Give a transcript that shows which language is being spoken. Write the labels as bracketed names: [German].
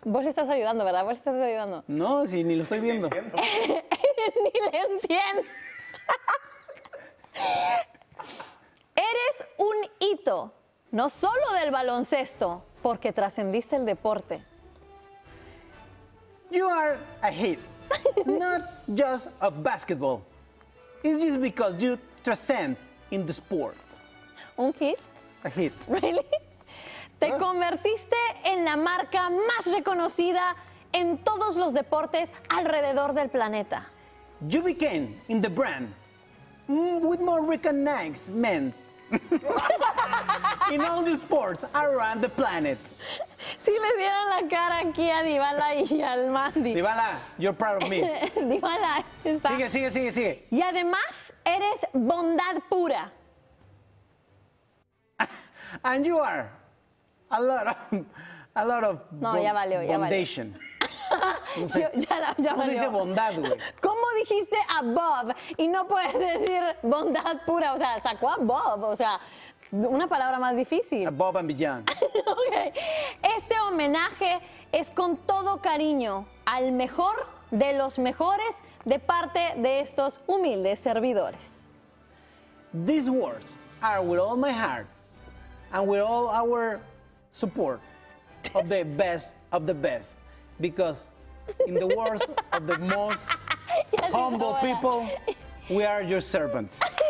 [Spanish] Vos le estás ayudando, ¿verdad? Vos le estás ayudando. No, sí, ni lo estoy viendo. Ni le entiendo. Eres un hito, no solo del baloncesto, porque trascendiste el deporte. [English] You are a hit, not just of basketball. It's just because you transcend in the sport. [Spanish] ¿Un hit? [English] A hit. Really? [Spanish] Te convertiste en la marca más reconocida en todos los deportes alrededor del planeta. [English] You became in the brand with more recognizement in all the sports around the planet. [Spanish] Si le dieran la cara aquí a Dybala y al Mandy. [English] Dybala, you're proud of me. [Spanish] Dybala, está. Sigue. Y además eres bondad pura. [English] And you are. A lot of [Spanish] no, ya valió, [English] bondation. [Spanish] Ya valió. ¿Cómo se dice bondad, güey? ¿Cómo dijiste above y no puedes decir bondad pura? O sea, sacó above, o sea, una palabra más difícil. [English] Above and beyond. Okay. [Spanish] Este homenaje es con todo cariño al mejor de los mejores de parte de estos humildes servidores. [English] These words are with all my heart and with all our... support of the best of the best, because in the words of the most humble people, we are your servants.